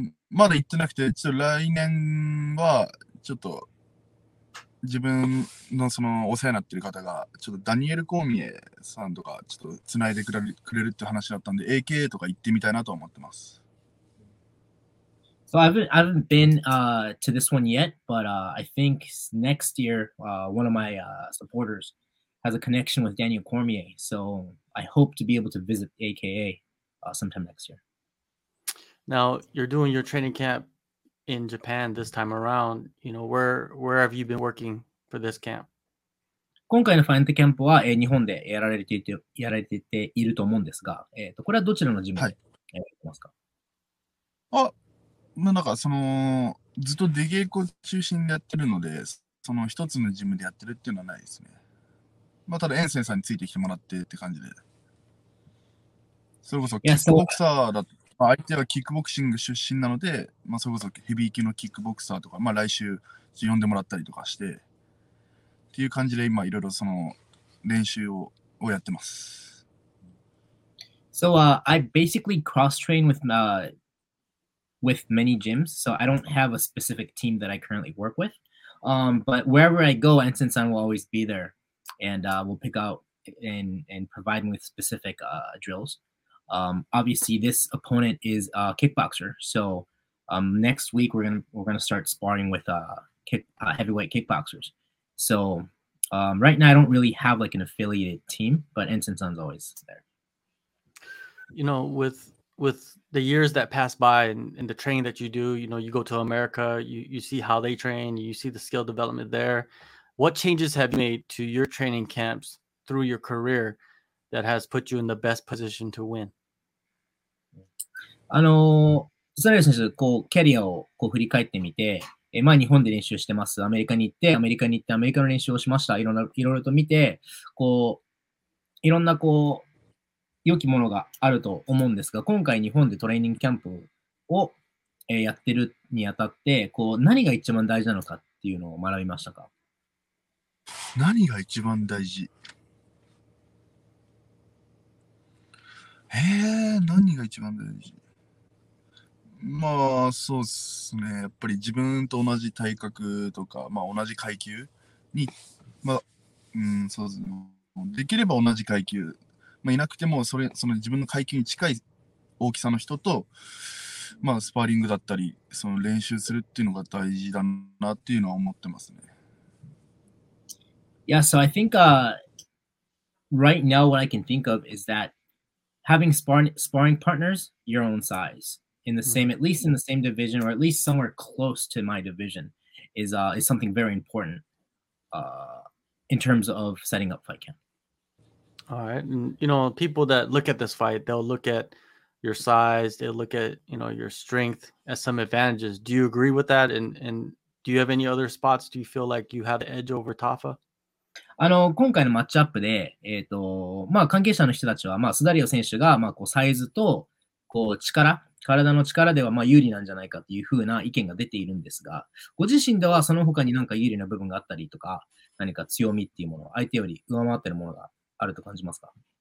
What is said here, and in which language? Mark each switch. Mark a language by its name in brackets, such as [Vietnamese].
[Japanese] まだ行ってなくて、ちょっと来年はちょっと自分のそのお世話になってる方がちょっとダニエル・コーミエさんとかちょっとつないでくれるって話だったんで、 AKA とか行ってみたいなと思ってます。 [English] So I haven't been to this one yet, but I think next year one of my supporters has a connection with Daniel Cormier, so I hope to be able to visit AKA sometime next year. Now you're doing your training campin Japan this time around, you know, where have you been working for this camp? [Japanese] 今回のファイナルキャンプは日本でやられていると思うんですが、これはどちらのジムでやってますか？はい、まあ、なんかそのずっと出稽古中心でやってるので、その一つのジムでやってるっていうのはないですね。まあただエンセンさんについてきてもらってって感じで、それこそキックボクサーだと、まあ、相手はキックボクシング出身なので、まあ、それこそヘビー級のキックボクサーとか、まあ、来週呼んでもらったりとかしてっていう感じで、今いろいろその練習 をやってます。 [English] So I basically cross train with many gyms, so I don't have a specific team that I currently work with, but wherever I go, Ensign-san will always be there and will pick out and provide me with specific drillsobviously this opponent is a kickboxer, so next week we're gonna start sparring with heavyweight kickboxers, so right now I don't really have like an affiliated team, but Ensign-san's always there. You know, with the years that pass by and the training that you do, you know, you go to America, you see how they train, you see the skill development there. What changes have you made to your training camps through your career that has put you in the best position to win? [Japanese] サラリー選手、こう、キャリアをこう振り返ってみて、まあ、日本で練習してます。アメリカに行って、アメリカの練習をしました。いろいろと見て、こう、いろんな、こう、良きものがあると思うんですが、今回日本でトレーニングキャンプを、やってるにあたって、こう、何が一番大事なのかっていうのを学びましたか？何が一番大事？何が一番大事？まあそうですね、やっぱり自分と同じ体格とか、まあ同じ階級に、まあそうですね、できれば同じ階級、まあいなくてもその自分の階級に近い大きさの人と、まあスパーリングだったりその練習するっていうのが大事だなっていうのは思ってますね。 [English] Yeah, so I think right now what I can think of is that having sparring partners your own size in the same, at least in the same division, or at least somewhere close to my division, is something very important in terms of setting up fight camp. All right. And, you know, people that look at this fight, they'll look at your size, they'll look at, you know, your strength as some advantages. Do you agree with that? And do you have any other spots? Do you feel like you have the edge over Tafa? [Japanese] あの今回のマッチアップで、まあ、関係者の人たちは、まあ、スダリオ選手が、まあ、こうサイズとこう力、体の力では、まあ、有利なんじゃないかというふうな意見が出ているんですが、ご自身ではその他になんか有利な部分があったりとか、何か強みっていうもの、相手より上回っているものがあると感じますか？